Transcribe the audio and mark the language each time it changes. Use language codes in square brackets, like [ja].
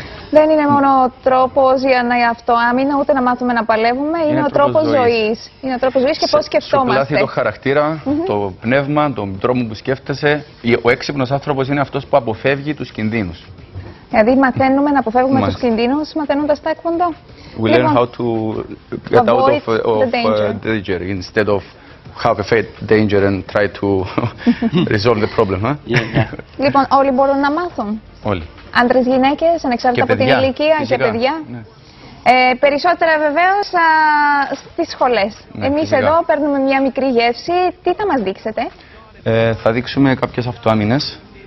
[el] Δεν είναι μόνο ο τρόπος για να αυτοάμυνα, ούτε να μάθουμε να παλεύουμε, είναι ο τρόπος ζωής. Είναι ο τρόπος ζωής και πώς σκεφτόμαστε. Σου πλάθει το χαρακτήρα, το πνεύμα, τον τρόπο που σκέφτεσαι. Ο έξυπνος άνθρωπος είναι αυτός που αποφεύγει τους κινδύνους. Δηλαδή μαθαίνουμε να αποφεύγουμε τους κινδύνους μαθαίνοντας ταεκβοντό. [en] We learn how to get out of the danger instead of have a faith danger and try to resolve the problem. [el] Λοιπόν, όλοι μπορούν να μάθουν. Όλοι. Άντρες, γυναίκες, ανεξάρτητα από την ηλικία φυσικά, και παιδιά. Ναι. Περισσότερα βεβαίως στις σχολές. Ναι, εμείς φυσικά. Εδώ παίρνουμε μια μικρή γεύση. Τι θα μας δείξετε? Θα δείξουμε κάποιες αυτοάμυνες.